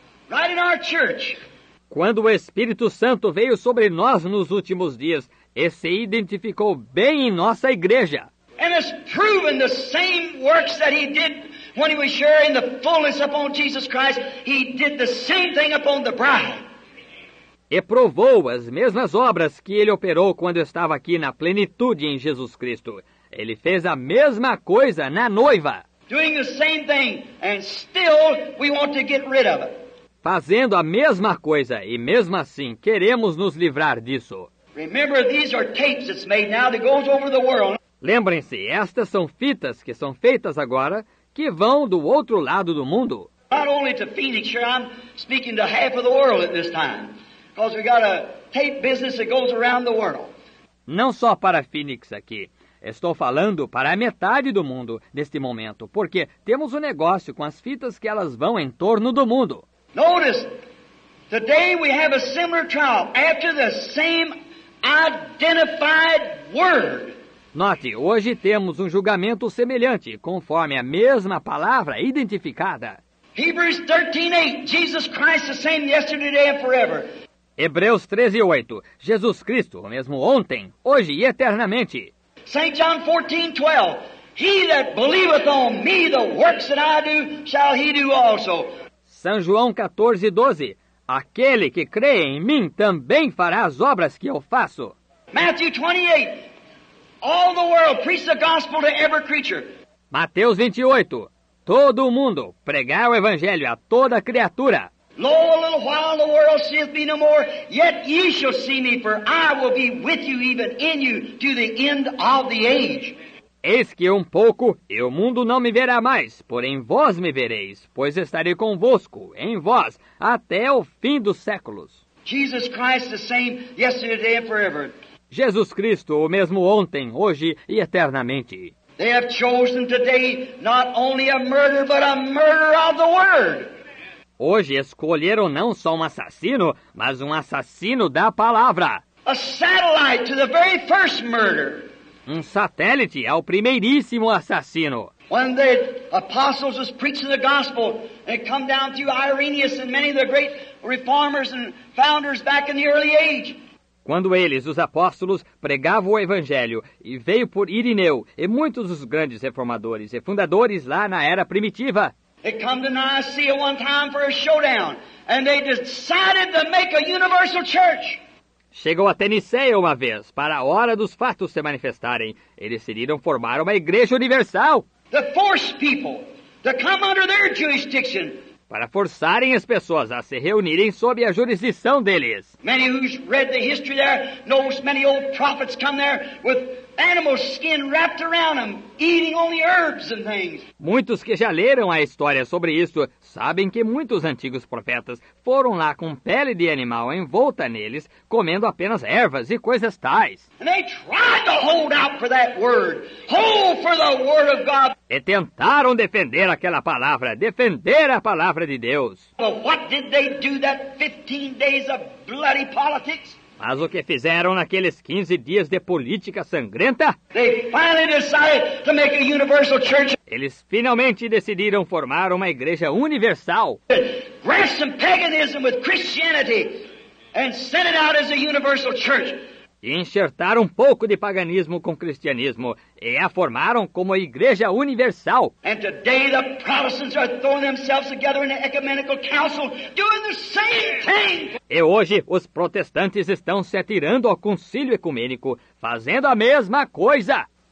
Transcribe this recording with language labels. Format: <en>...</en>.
<en>Right in our church.</en> <pt>Quando o Espírito Santo veio sobre nós nos últimos dias, e se identificou bem em nossa igreja.</pt> <en>And has proven the same works that he did when he was sharing the fullness upon Jesus Christ. He did the same thing upon the bride.</en> <pt>E provou as mesmas obras que ele operou quando estava aqui na plenitude em Jesus Cristo. Ele fez a mesma coisa na noiva.</pt> <en>Doing the same thing, and still we want to get rid of it.</en> <pt>Fazendo a mesma coisa, e mesmo assim queremos nos livrar disso.</pt> <en>Remember, these are tapes that's made now that goes over the world.</en> <pt>Lembrem-se, estas são fitas que são feitas agora, que vão do outro lado do mundo.</pt> <en>Not only to Phoenix, sure, I'm speaking to half of the world at this time. Because we got a tape business that goes around the world.</en> <pt>Não só para Phoenix aqui. Estou falando para a metade do mundo neste momento. Porque temos um negócio com as fitas que elas vão em torno do mundo.</pt> <en>Notice, today we have a similar trial after the same identified word.</en> <pt>Note, hoje temos um julgamento semelhante, conforme a mesma palavra identificada.</pt> <en>Hebrews 13:8, Jesus Christ the same yesterday, today and forever.</en> <pt>Hebreus 13:8, Jesus Cristo, o mesmo ontem, hoje e eternamente.</pt> <en>St. John 14:12, He that believeth on me, the works that I do, shall he do also.</en> <pt>São João 14:12, aquele que crê em mim também fará as obras que eu faço.</pt> <en>Matthew 28, all the world preach the gospel to every creature.</en> <pt>Mateus 28, todo o mundo pregar o evangelho a toda criatura.</pt> <en>Lo, a little while the world seeth me no more, yet ye shall see me, for I will be with you even in you to the end of the age.</en> <pt>Eis que pouco, e o mundo não me verá mais, porém vós me vereis, pois estarei convosco, em vós, até o fim dos séculos.</pt> <en>Jesus Christ the same yesterday, today and forever.</en> <pt>Jesus Cristo, o mesmo ontem, hoje e eternamente.</pt> <en>They have chosen today not only a murder, but a murder of the word.</en> <pt>Hoje escolheram não só assassino, mas assassino da palavra.</pt> <en>A satellite to the very first murder.</en> <pt>Satélite ao primeiríssimo assassino.</pt> <en>When the apostles was preaching the gospel, they come down to Irenaeus and many of the great reformers and founders back in the early age.</en> <pt>Quando eles, os apóstolos, pregavam o Evangelho, e veio por Irineu e muitos dos grandes reformadores e fundadores lá na era primitiva.</pt> <en>They come to Nicaea one time for a showdown, and they decided to make a universal church.</en> <pt>Chegou até Nicéia uma vez, para a hora dos fatos se manifestarem. Eles decidiram formar uma igreja universal.</pt> <en>To force people to come under their jurisdiction.</en> <pt>Para forçarem as pessoas a se reunirem sob a jurisdição deles.</pt> <en>Many who's read the history there knows many old prophets come there with animal skin wrapped around them, eating only herbs and things.</en> <pt>Muitos que já leram a história sobre isso sabem que muitos antigos profetas foram lá com pele de animal envolta neles, comendo apenas ervas e coisas tais.</pt> <en>And they tried to hold out for that word, hold for the word of God.</en> <pt>E tentaram defender aquela palavra, defender a palavra de Deus.</pt> <en>But what did they do that 15 days of bloody politics?</en> <pt>Mas o que fizeram naqueles 15 dias de política sangrenta?</pt> <en>They finally decided to make a universal church.</en> <pt>Eles finalmente decidiram formar uma igreja universal.</pt> <en>Grasp some paganism with Christianity and send it out as a universal church.</en> <pt>E enxertaram um pouco de paganismo com cristianismo e a formaram como a igreja universal.</pt> <en>And today the Protestants are throwing themselves together in an ecumenical council doing the same thing.</en> <pt>E hoje os protestantes estão se atirando ao concílio ecumênico fazendo a mesma coisa.</pt>